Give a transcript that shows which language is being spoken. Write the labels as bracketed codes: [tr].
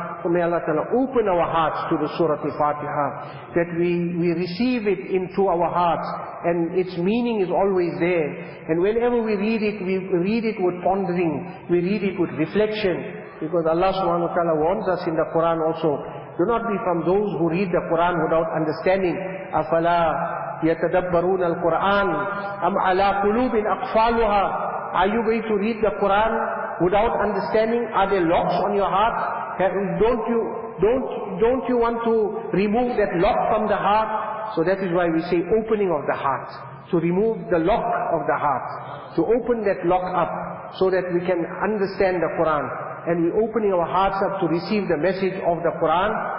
[en] So may Allah Ta'ala open our hearts to the Surah Al-Fatiha, that we receive it into our hearts, and its meaning is always there. And whenever we read it with pondering, we read it with reflection, because Allah Subhanahu wa Ta'ala warns us in the Quran also, do not be from those who read the Quran without understanding. [ar] Afala يتدبرون القرآن أم على قلوب أقفالها. [en] Are you going to read the Quran without understanding? Are there locks on your heart? Don't you want to remove that lock from the heart? So that is why we say opening of the heart, to remove the lock of the heart, to open that lock up so that we can understand the Quran, and we opening our hearts up to receive the message of the Quran.